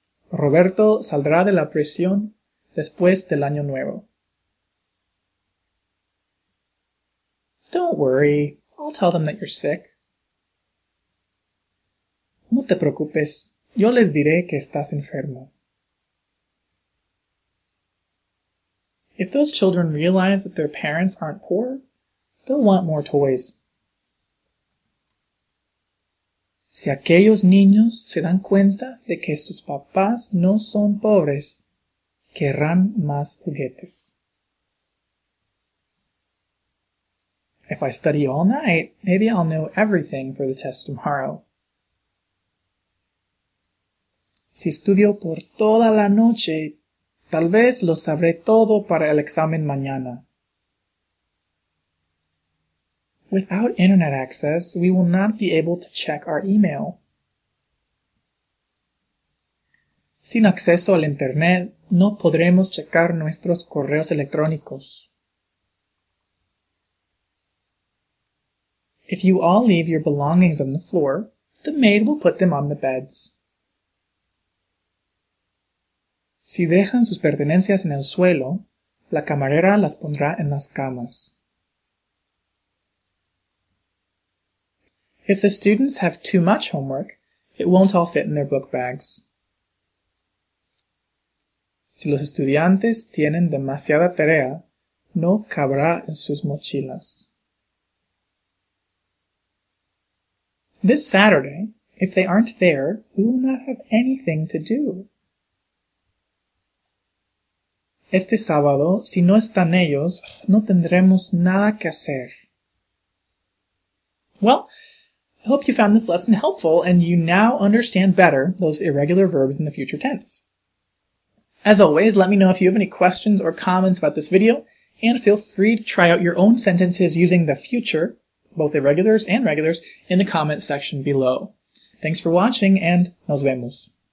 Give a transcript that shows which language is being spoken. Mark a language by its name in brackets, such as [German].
[Spanish] Roberto saldrá de la prisión después del año nuevo. [English] Don't worry, I'll tell them that you're sick. [Spanish] No te preocupes, yo les diré que estás enfermo. [English] If those children realize that their parents aren't poor, they'll want more toys. [Spanish] Si aquellos niños se dan cuenta de que sus papás no son pobres, querrán más juguetes. [English] If I study all night, maybe I'll know everything for the test tomorrow. [Spanish] Si estudio por toda la noche, tal vez lo sabré todo para el examen mañana. [English] Without internet access, we will not be able to check our email. [Spanish] Sin acceso al internet, no podremos checar nuestros correos electrónicos. [English] If you all leave your belongings on the floor, the maid will put them on the beds. [Spanish] Si dejan sus pertenencias en el suelo, la camarera las pondrá en las camas. [English] If the students have too much homework, it won't all fit in their book bags. [Spanish] Si los estudiantes tienen demasiada tarea, no cabrá en sus mochilas. [English] This Saturday, if they aren't there, we will not have anything to do. [Spanish] Este sábado, si no están ellos, no tendremos nada que hacer. [English] Well, I hope you found this lesson helpful and you now understand better those irregular verbs in the future tense. As always, let me know if you have any questions or comments about this video, and feel free to try out your own sentences using the future, both irregulars and regulars, in the comments section below. Thanks for watching, and [Spanish] nos vemos.